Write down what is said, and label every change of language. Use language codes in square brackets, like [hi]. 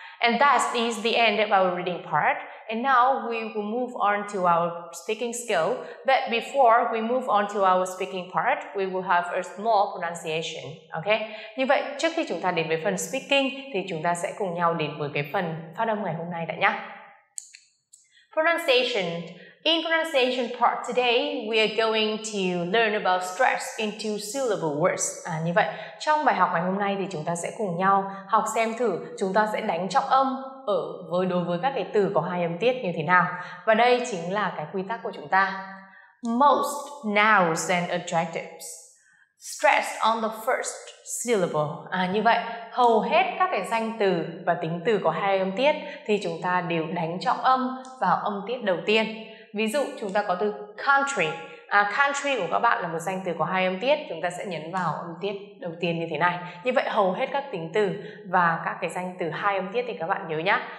[en] And that is the end of our reading part. And now we will move on to our speaking skill. But before we move on to our speaking part, we will have a small pronunciation. Okay? [vi] Như vậy, trước khi chúng ta đến với phần speaking, thì chúng ta sẽ cùng nhau đến với cái phần phát âm ngày hôm nay đã nhé. [en] Pronunciation. In pronunciation part today, we are going to learn about stress into syllable words. [vi] À, như vậy, trong bài học ngày hôm nay thì chúng ta sẽ cùng nhau học xem thử chúng ta sẽ đánh trọng âm đối với các cái từ có hai âm tiết như thế nào. Và đây chính là cái quy tắc của chúng ta. [en] Most nouns and adjectives stress on the first syllable. [vi] À, như vậy, hầu hết các cái danh từ và tính từ có hai âm tiết thì chúng ta đều đánh trọng âm vào âm tiết đầu tiên. Ví dụ chúng ta có từ country. Country của các bạn là một danh từ có hai âm tiết, chúng ta sẽ nhấn vào âm tiết đầu tiên như thế này. Như vậy hầu hết các tính từ và các cái danh từ hai âm tiết thì các bạn nhớ nhá.